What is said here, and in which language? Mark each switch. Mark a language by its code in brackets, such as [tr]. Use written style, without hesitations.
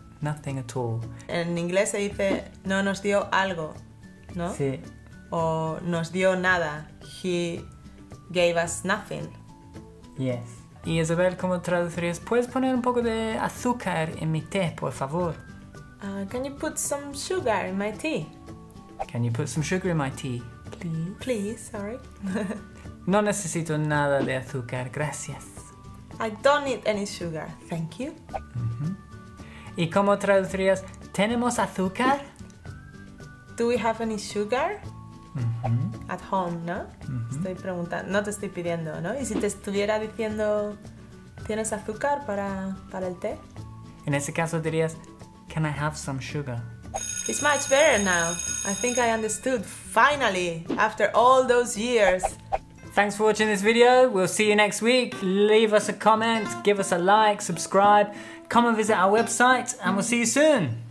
[en] Nothing at all. [es] En inglés se dice, no nos dio algo, ¿no? Sí. o nos dio nada. [en] He gave us nothing. [es] Yes. Y Isabel, ¿cómo traducirías? ¿Puedes poner un poco de azúcar en mi té, por favor? [en] Can you put some sugar in my tea? Can you put some sugar in my tea? Please. Please, sorry. [es] No necesito nada de azúcar, gracias. [en] I don't need any sugar, thank you. [es] ¿Y cómo traducirías? ¿Tenemos azúcar? [en] Do we have any sugar? At home, ¿no? [es] Estoy preguntando, no te estoy pidiendo, ¿no? ¿Y si te estuviera diciendo, ¿tienes azúcar para el té? En ese caso dirías, [en] can I have some sugar? It's much better now. I think I understood, finally, after all those years. Thanks for watching this video. We'll see you next week. Leave us a comment, give us a like, subscribe, come and visit our website, and we'll see you soon.